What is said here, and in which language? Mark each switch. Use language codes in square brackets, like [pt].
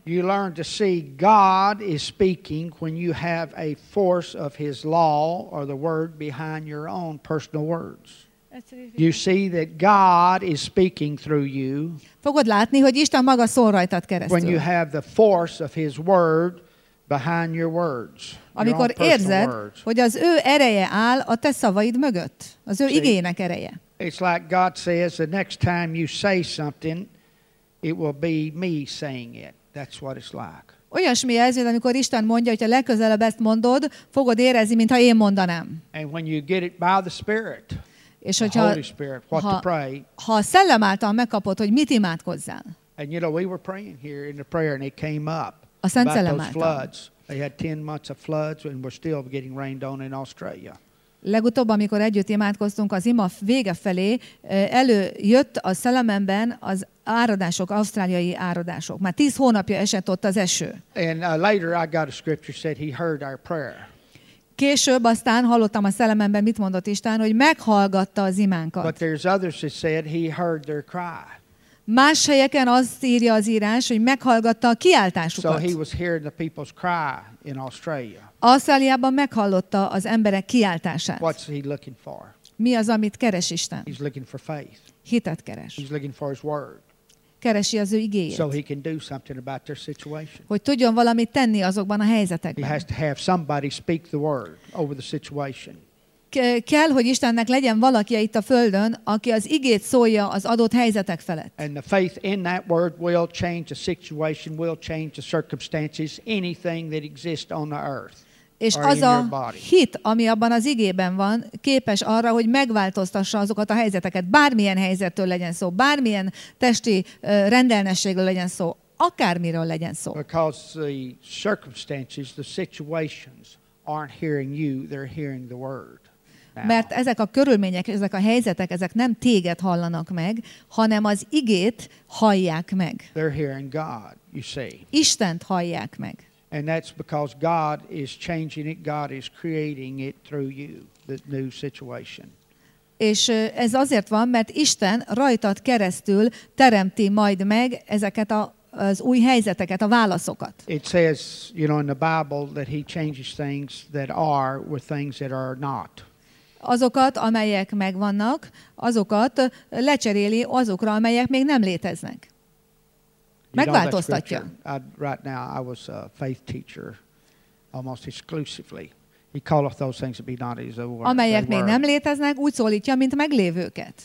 [en] You learn to see God is speaking when you have a force of his law or the word behind your own personal words. You see that God is speaking through you. [hu] Fogod látni, hogy Isten maga szól rajtad keresztül. [en] When you have the force of his word behind your words, [hu] amikor [en] your [hu] érzed, [en] words. [hu] Hogy az ő ereje áll a te szavaid mögött, az ő igéjének ereje. [en] It's like God says, the next time you say something, it will be me saying it. That's what it's like. [hu] Olyasmi ez, amikor Isten mondja, hogy a legközelebb ezt mondod, fogod érezni, mintha én mondanám. [en] And when you get it by the Spirit, [hu] és hogyha, [en] the Holy Spirit, what to pray. [hu] Ha a szellem által megkapod, hogy mit imádkozzál. [en] And you know, we were praying here in the prayer and it came up. [hu] A Szent Szellem által. About [en] those floods. They had 10 months of floods and we're still getting rained on in Australia. [hu] Legutóbb, amikor együtt imádkoztunk, az ima vége felé előjött a szellememben az áradások, ausztráliai áradások. Már 10 hónapja esett ott az eső. [en] And later I got a scripture said he heard our prayer. [hu] Később aztán hallottam a szellememben, mit mondott Isten, hogy meghallgatta az imánkat. [en] But there's others that said he heard their cry. [hu] Más helyeken azt írja az írás, hogy meghallgatta a kiáltásukat. [en] So he was hearing the people's cry in Australia. [hu] Ausztráliában meghallotta az emberek kiáltását. [en] What's he looking for? [hu] Mi az, amit keres Isten? [en] He's looking for faith. [hu] Hitet keres. [en] He's looking for his word. [hu] Keresi az ő igéjét. [en] So he can do something about their situation. [hu] Hogy tudjon valamit tenni azokban a helyzetekben. [en] He has to have somebody speak the word over the situation. [hu] Kell, hogy Istennek legyen valaki itt a Földön, aki az igét szólja az adott helyzetek felett. [en] And the faith in that word will change the situation, will change the circumstances, anything that exists on the earth. [hu] És az a hit, ami abban az igében van, képes arra, hogy megváltoztassa azokat a helyzeteket, bármilyen helyzettől legyen szó, bármilyen testi rendellenességről legyen szó, akármiről legyen szó. [en] Because the circumstances, the situations aren't hearing you, they're hearing the word. [hu] Mert ezek a körülmények, ezek a helyzetek, ezek nem téged hallanak meg, hanem az igét hallják meg. [en] They're hearing God, you see. [hu] Istent hallják meg. [en] And that's because God is changing it, God is creating it through you, the new situation. [hu] És ez azért van, mert Isten rajtad keresztül teremti majd meg ezeket az új helyzeteket, a válaszokat. [en] It says, you know, in the Bible that he changes things that are with things that are not. [hu] Azokat, amelyek megvannak, azokat lecseréli azokra, amelyek még nem léteznek. Megváltoztatja. [en] Right now I was a faith teacher almost exclusively. He calleth those things to be not as they were. [hu] Amelyek még nem léteznek, úgy szólítja, mint meglévőket.